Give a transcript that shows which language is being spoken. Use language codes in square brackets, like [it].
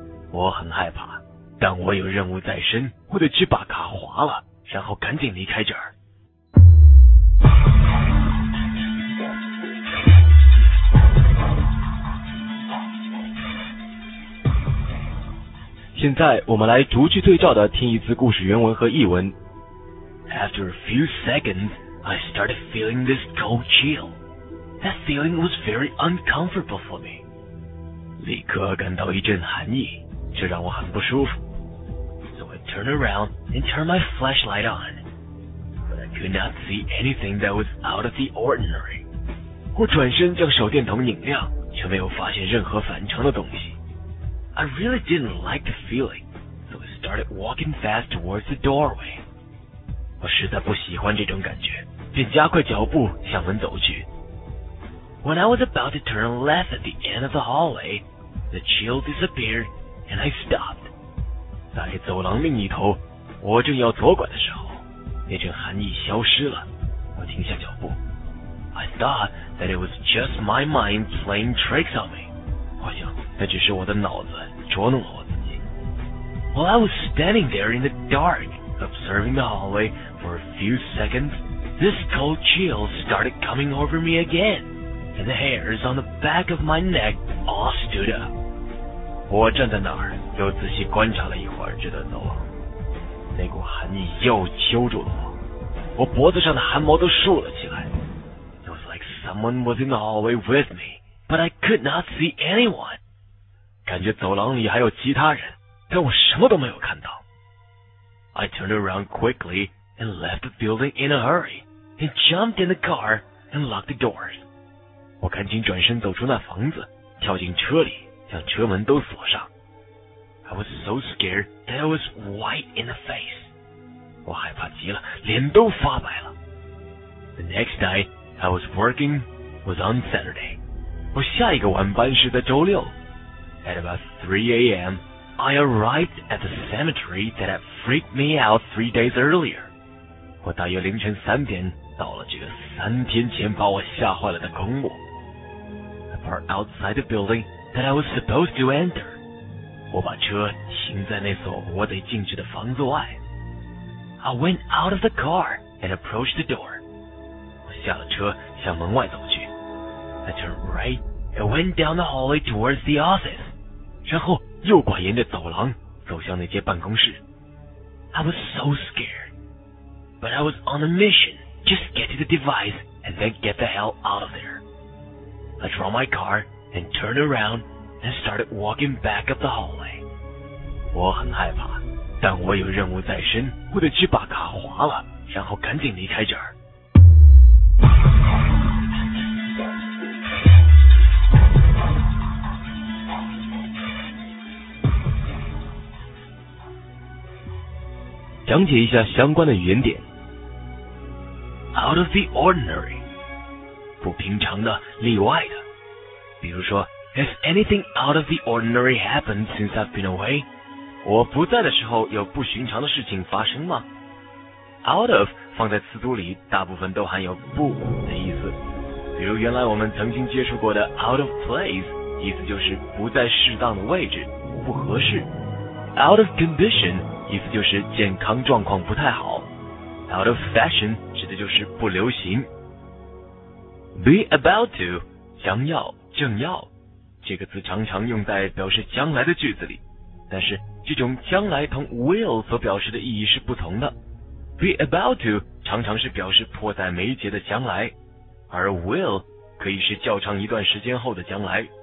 [zh] 我很害怕，但我有任务在身，我得去把卡划了，然后赶紧离开这儿。现在我们来逐句对照的听一次故事原文和译文。 [en] After a few seconds, I started feeling this cold chill. That feeling was very uncomfortable for me. [zh] 立刻感到一阵寒意，这让我很不舒服。 [en] So I turned around and turned my flashlight on. But I could not see anything that was out of the ordinary. [zh] 我转身将手电筒拧亮，却没有发现任何反常的东西。 [en] I really didn't like the feeling, so I started walking fast towards the doorway. [zh] 我实在不喜欢这种感觉，便加快脚步向门走去。 [en] When I was about to turn left at the end of the hallway, the chill disappeared and I stopped. [zh] 在走廊另一头，我正要左拐的时候，那阵寒意消失了，我停下脚步。 [en] I thought that it was just my mind playing tricks on me. [zh] 我想那只是我的脑子捉弄了我自己。 [en] While I was standing there in the dark, observing the hallway for a few seconds, this cold chill started coming over me again, and the hairs on the back of my neck all stood up. [zh] 我站在那儿，又仔细观察了一会儿这段走廊，那股寒意又揪住了我。我脖子上的汗毛都竖了起来。 [en] It was like someone was in the hallway with me, but I could not see anyone. [zh] 感觉走廊里还有其他人，但我什么都没有看到。 [en] I turned around quickly and left the building in a hurry and jumped in the car and locked the doors. [zh] 我赶紧转身走出那房子，跳进车里，将车门都锁上。 [en] I was so scared that I was white in the face. [zh] 我害怕极了，脸都发白了。 [en] The next night I was working was on Saturday. [zh] 我下一个晚班是在周六。 [en] At about 3 a.m., I arrived at the cemetery that had freaked me out 3 days earlier. [zh] 我大约凌晨三点到了这个三天前把我吓坏了的公墓。 [en] The part outside the building that I was supposed to enter. [zh] 我把车停在那所我得进去的房子外。 [en] I went out of the car and approached the door. [zh] 我下了车向门外走去。 [en] I turned right and went down the hallway towards the office. [zh] 然后右拐沿着走廊走向那间办公室。 [en] I was so scared. But I was on a mission. Just get to the device and then get the hell out of there. I drove my car and turned aroundand started walking back up the hallway. [zh] 我很害怕，但我有任务在身，我得去把卡划了，然后赶紧离开这儿。讲解一下相关的语言点。 [en] Out of the ordinary， [zh] 不平常的，例外的。比如说 [en] Has anything out of the ordinary happened since I've been away? [zh] 我不在的时候有不寻常的事情发生吗？Out of 放在词组里大部分都含有不的意思。比如原来我们曾经接触过的 out of place， 意思就是不在适当的位置，不合适。 Out of condition 意思就是健康状况不太好。 Out of fashion 指的就是不流行。 Be about to 将要正要。这个词常常用在表示将来的句子里，但是这种将来同 will 所表示的意义是不同的。 Be about to 常常是表示迫在眉睫的将来，而 will 可以是较长一段时间后的将来。